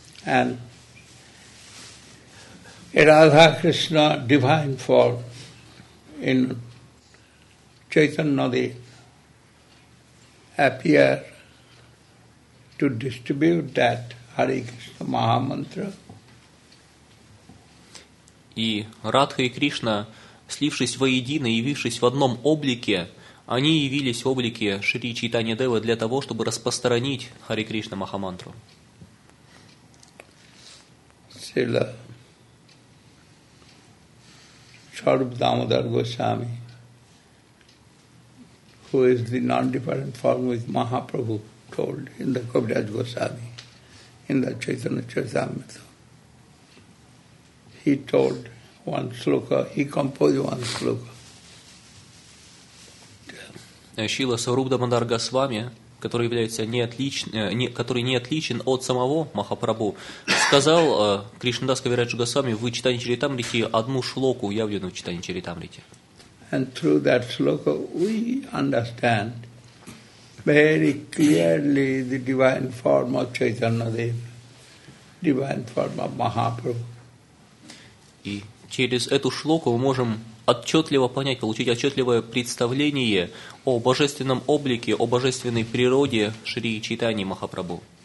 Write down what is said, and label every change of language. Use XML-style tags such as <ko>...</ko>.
<en>And Radha Krishna divine form in Chaitanya-nadi appear to distribute that Hari Krishna Mahamantra.</en> <ru>И Радха и Кришна слившись воедино, явившись в одном облике, они явились в облике Шри Чайтанья Девы для того, чтобы распространить Хари Кришна Махамантру.</ru> <en>Шрила Шарупа Дамодар Госвами, who is the non-different form with Mahaprabhu, told in the Kaviraj Goswami, in the Chaitanya Charitamrita. He told one sloka, he composed one sloka.</en> <ru>Шрила Сварупа Дамодар Госвами, который является который не отличен от самого Махапрабху, сказал Кришнадас Кавираджу Госвами в Чайтанья Чаритамрите одну шлоку, явленную в Чайтанья Чаритамрите.</ru> <en>And through that shloka we understand very clearly the divine form of Chaitanya Dev, divine form of Mahaprabhu.</en> <ru>И через эту шлоку мы можем отчетливо понять, получить отчетливое представление о божественном облике, о божественной природе Шри Чайтаньи Махапрабху.</ru>